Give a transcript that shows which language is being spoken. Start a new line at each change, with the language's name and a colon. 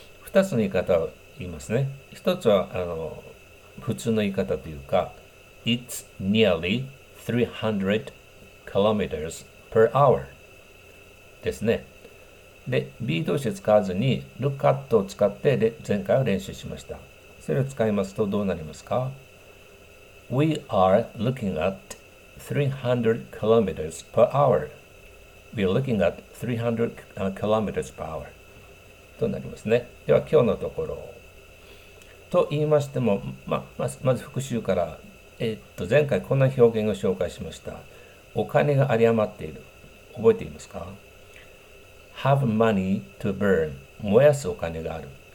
Japanese: 2つの言い方を言いますね。1つは普通の言い方というか、
English: It's nearly 300 kilometers per hour
Japanese: ですね。で、be 動詞使わずに、look at を使って前回は練習しました。それを使いますとどうなりますか？
English: We are looking at 300 kilometers per hour. We are looking at 300 kilometers per hour.
Japanese: となりますね。では今日のところと言いましても、まず復習から、前回こんな表現を紹介しました。お金が有り余っている、覚えていますか？
English: Have money to burn、
Japanese: 燃やすお金がある。